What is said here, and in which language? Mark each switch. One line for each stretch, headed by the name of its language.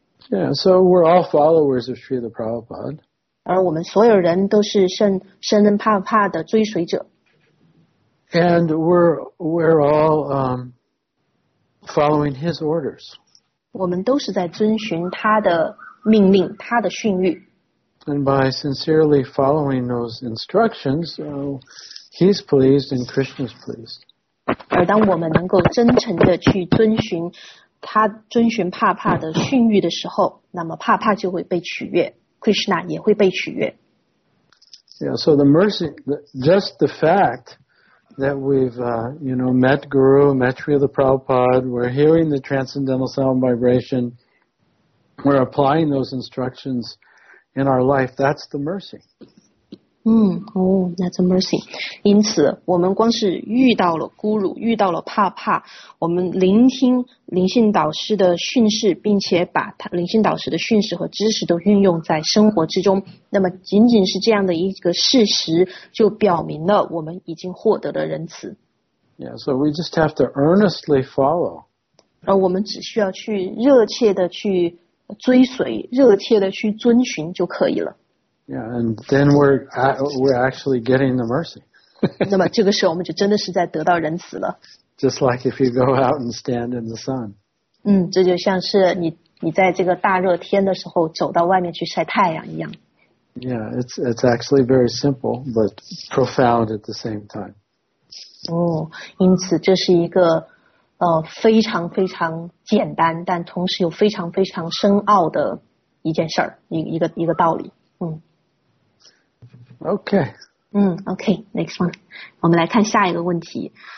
English: Yeah, so we're all followers of Srila Prabhupada.
Chinese: 而我们所有人都是圣人帕帕的追随者。
English: And we're all following his orders.
Chinese: 我们都是在遵循他的命令，他的训谕。
English: And by sincerely following those instructions, he's pleased and Krishna's pleased.
Chinese: 而当我们能够真诚地去遵循帕帕的训谕的时候，那么帕帕就会被取悦， Krishna 也会被取悦。
English: Yeah, so the mercy, just the fact that we've, you know, met Guru, met Srila Prabhupada, we're hearing the transcendental sound vibration, we're applying those instructions in our life, that's the mercy. That's a mercy.
Chinese: 因此我们光是遇到了 Guru, 遇到了帕帕，我们聆听灵性导师的训示，并且把他灵性导师的训示和知识都运用在生活之中，那么仅仅是这样的一个事实就表明了我们已经获得了仁慈。
English: Yeah, so we just have to earnestly follow.
Chinese: 而我们只需要去热切的去追随，热切的去遵循就可以了。
English: Yeah, and then we're actually getting the mercy.
Chinese: 那么这个时候我们就真的是在得到仁慈了。
English: Just like if you go out and stand in the sun.
Chinese: 这就像是你在这个大热天的时候走到外面去晒太阳一样。
English: Yeah, it's actually very simple, but profound at the same time.
Chinese: 因此这是一个非常非常简单，但同时又非常非常深奥的一件事儿，一个道理。
English: Okay. Okay. Next one.
Chinese: 我们来看下一个问题。